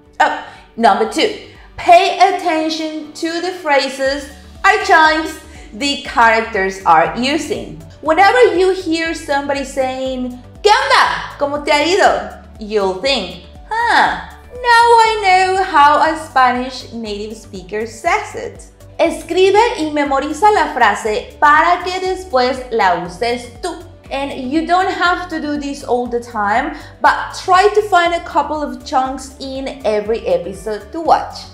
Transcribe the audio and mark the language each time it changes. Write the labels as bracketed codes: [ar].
[en] Oh, number 2. Pay attention to the phrases or chimes the characters are using. Whenever you hear somebody saying, [es] ¿Qué onda? ¿Cómo te ha ido? [en] You'll think, huh, now I know how a Spanish native speaker says it. [es] Escribe y memoriza la frase para que después la uses tú. [en] And you don't have to do this all the time, but try to find a couple of chunks in every episode to watch.